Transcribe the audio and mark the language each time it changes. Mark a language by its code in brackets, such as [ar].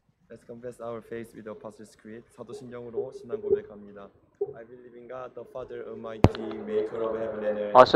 [en] Let's confess our faith with the Apostles' Creed. [ko] 사도신경으로 신앙 고백합니다. [en] I believe in God, the Father Almighty, Maker of heaven and earth.